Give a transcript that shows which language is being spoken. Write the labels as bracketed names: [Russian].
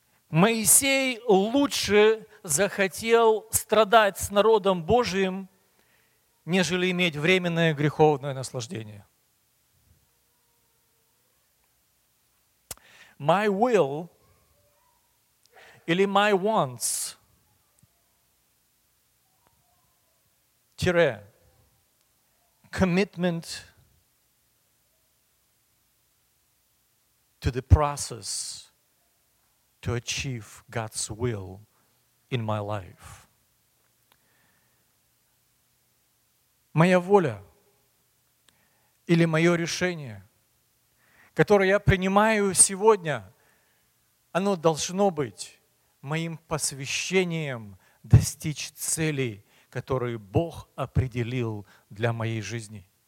[Russian] Моисей лучше захотел страдать с народом Божиим, нежели иметь временное греховное наслаждение. [English] My will [Russian] или [English] my wants – [Russian] тире, [English] commitment to the process to achieve God's will in my life. [Russian] Моя воля или мое решение, которое я принимаю сегодня, оно должно быть моим посвящением достичь цели, которые Бог определил для моей жизни.